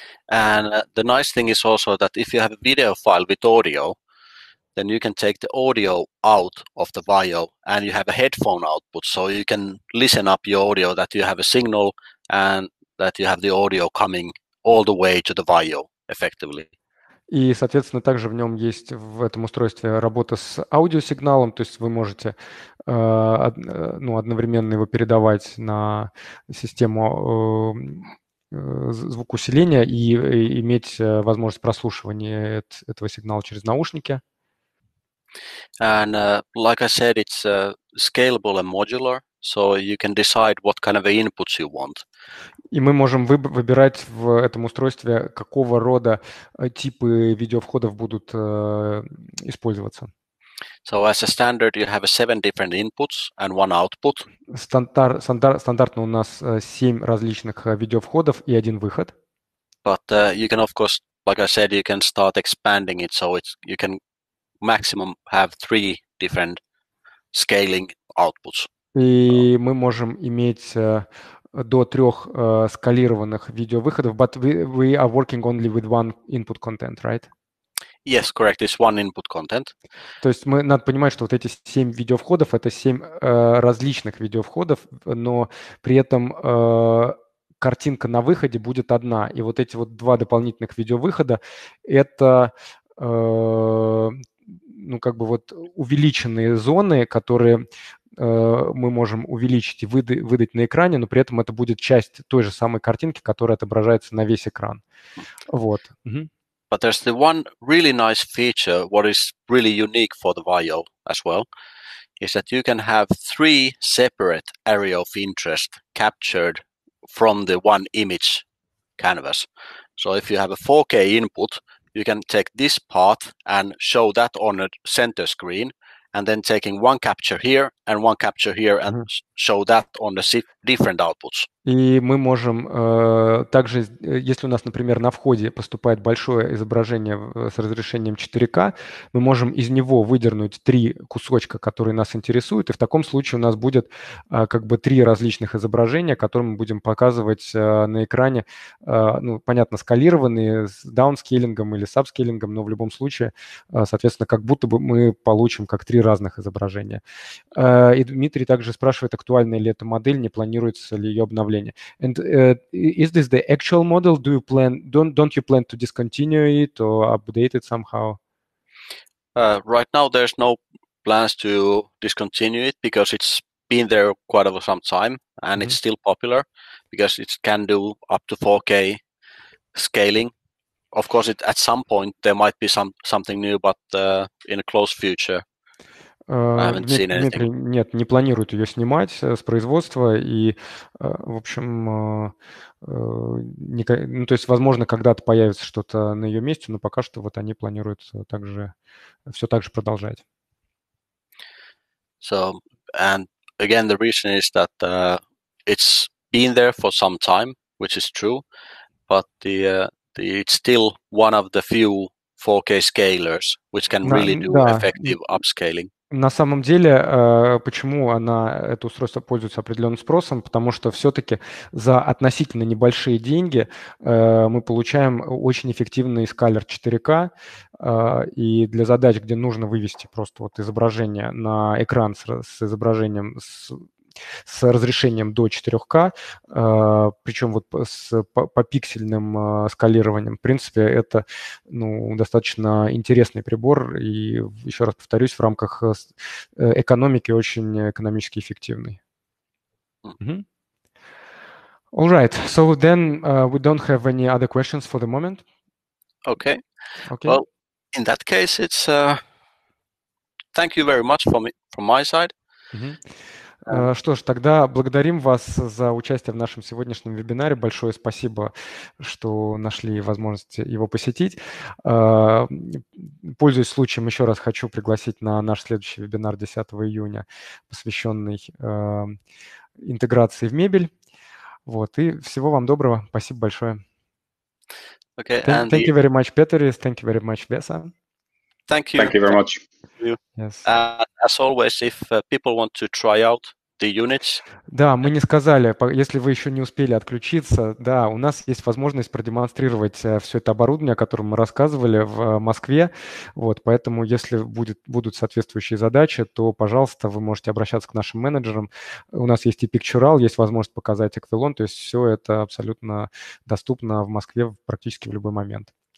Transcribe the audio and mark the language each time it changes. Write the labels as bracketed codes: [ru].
[en] And the nice thing is also that if you have a video file with audio, then you can take the audio out of the bio and you have a headphone output, so you can listen up your audio that you have a signal and that you have the audio coming all the way to the bio effectively. [ru] И, соответственно, также в нем есть в этом устройстве работа с аудиосигналом, то есть вы можете одновременно его передавать на систему звукоусиления и иметь возможность прослушивания этого сигнала через наушники. [en] And like I said, it's scalable and modular, so you can decide what kind of inputs you want. [ru] И мы можем выбирать в этом устройстве, какого рода типы видеовходов будут использоваться. [en] So as a standard, you have 7 different inputs and one output. [ru] Стандартно у нас 7 различных видеовходов и один выход. [en] But you can, of course, like I said, you can start expanding it, so it's, you can maximum have 3 different scaling outputs. [ru] И мы можем иметь до 3 скалированных видеовыходов, [en] but we are working only with one input content, right? Yes, correct. It's one input content. [ru] То есть мы надо понимать, что вот эти 7 видеовходов — это 7 различных видеовходов, но при этом картинка на выходе будет одна. И вот эти вот 2 дополнительных видеовыхода — это увеличенные зоны, которые мы можем увеличить и выдать на экране, но при этом это будет часть той же самой картинки, которая отображается на весь экран. Вот. [en] But there's the one really nice feature, what is really unique for the VIO as well, is that you can have 3 separate area of interest captured from the one image canvas. So if you have a 4K input, you can take this part and show that on a center screen, and then taking one capture here and one capture here and show that on the different outputs. [ru] И мы можем также, если у нас, например, на входе поступает большое изображение с разрешением 4K, мы можем из него выдернуть 3 кусочка, которые нас интересуют, и в таком случае у нас будет 3 различных изображения, которые мы будем показывать на экране, скалированные с даунскейлингом или с апскейлингом, но в любом случае, соответственно, как будто бы мы получим 3 разных изображения. И Дмитрий также спрашивает, актуальна ли эта модель, не планируется ли ее обновлять. [en] And is this the actual model? Do you plan? Don't you plan to discontinue it or update it somehow? Right now, there's no plans to discontinue it because it's been there quite over some time and it's still popular because it can do up to 4K scaling. Of course, it, at some point there might be something new, but in a close future. [ru] Нет, не планируют ее снимать с производства, и, в общем, возможно, когда-то появится что-то на ее месте, но пока что вот они планируют все так же продолжать. [en] So, and again, the reason is that it's been there for some time, which is true, but the it's still one of the few 4K scalers, which can really do effective upscaling. [ru] На самом деле, почему она, это устройство пользуется определенным спросом? Потому что все-таки за относительно небольшие деньги мы получаем очень эффективный скалер 4К. И для задач, где нужно вывести просто вот изображение на экран с изображением с разрешением до 4К, причем вот с попиксельным скалированием. В принципе, это достаточно интересный прибор, и еще раз повторюсь, в рамках экономики очень экономически эффективный. Mm-hmm. [en] All right, so then we don't have any other questions for the moment. Okay. Okay. Well, in that case, it's thank you very much from my side. Mm-hmm. [ru] Что ж, тогда благодарим вас за участие в нашем сегодняшнем вебинаре. Большое спасибо, что нашли возможность его посетить. Пользуясь случаем, еще раз хочу пригласить на наш следующий вебинар 10 июня, посвященный интеграции в мебель. Вот, и всего вам доброго. Спасибо большое. [en] Okay, thank you very much, Peteris. Thank you very much, Vesa. Thank you. Thank you very much. Yes. As always, if people want to try out the units. [ru] Да, мы не сказали, если вы еще не успели отключиться, да, у нас есть возможность продемонстрировать все это оборудование, о котором мы рассказывали в Москве, вот, поэтому если будут соответствующие задачи, то, пожалуйста, вы можете обращаться к нашим менеджерам. У нас есть и Picturall, есть возможность показать Эквилон, то есть все это абсолютно доступно в Москве практически в любой момент.